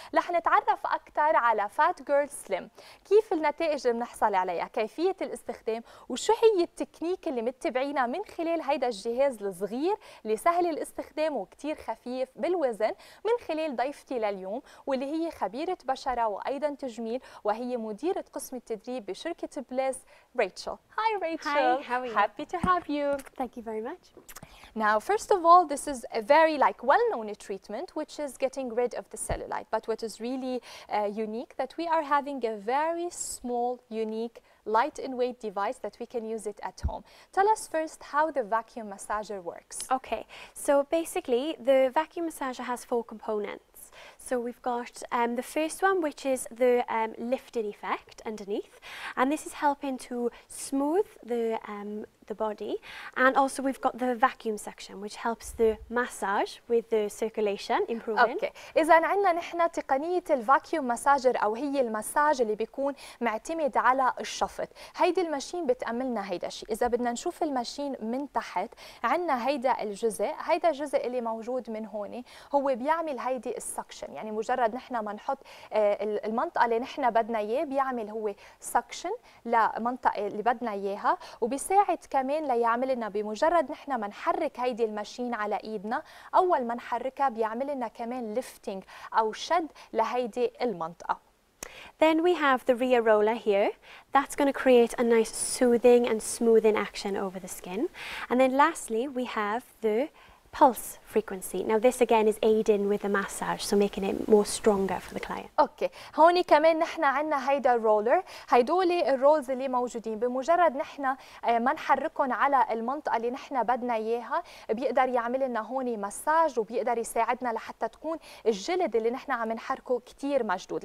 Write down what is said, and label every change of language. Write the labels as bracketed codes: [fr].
[ar] رح نتعرف اكثر على فات جيرل سليم، كيف النتائج اللي بنحصل عليها، كيفية الاستخدام، وشو هي التكنيك اللي متبعينها من خلال هيدا الجهاز الصغير اللي سهل الاستخدام وكتير خفيف بالوزن، من خلال ضيفتي لليوم واللي هي خبيرة بشرة وأيضا تجميل وهي مديرة قسم التدريب بشركة بليس، ريتشل. [en] Hi Rachel. Hi, how are you? Happy to have you. Thank you very much. Now, first of all, this is a very like well-known treatment, which is getting rid of the cellulite. But what is really unique that we are having a very small, unique, light in weight device that we can use it at home. Tell us first how the vacuum massager works. Okay, so basically the vacuum massager has four components. So we've got the first one, which is the lifting effect underneath, and this is helping to smooth the body. And also we've got the vacuum suction, which helps the massage with the circulation improving. Okay. [ar] إذا عندنا نحن تقنية الفاكيوم مساجر أو هي المساج اللي بيكون معتمد على الشفط. هيدي الماشين بتأملنا هيدا الشيء. إذا بدنا نشوف الماشين من تحت، عندنا هيدا الجزء، هيدا الجزء اللي موجود من هون هو بيعمل هيدي السكشن. يعني مجرد نحن ما نحط المنطقة اللي نحن بدنا إياه بيعمل هو سكشن لمنطقة اللي بدنا إياها، وبيساعد كمان ليعمل لنا بمجرد نحن ما نحرك هيدي الماشين على إيدنا، أول ما نحركها بيعمل لنا كمان ليفتنج أو شد لهيدي المنطقة. [en] Then we have the rear roller here. That's going to create a nice soothing and smoothing action over the skin. And then lastly we have the pulse frequency. Now this again is aiding with the massage, so making it more stronger for the client. Okay. [ar] هون كمان نحن عندنا هيدا الرولر، هيدول الرولز اللي موجودين بمجرد نحن ما نحركهم على المنطقة اللي نحن بدنا إياها، بيقدر يعمل لنا هون مساج وبيقدر يساعدنا لحتى تكون الجلد اللي نحن عم نحركه كتير مجدود.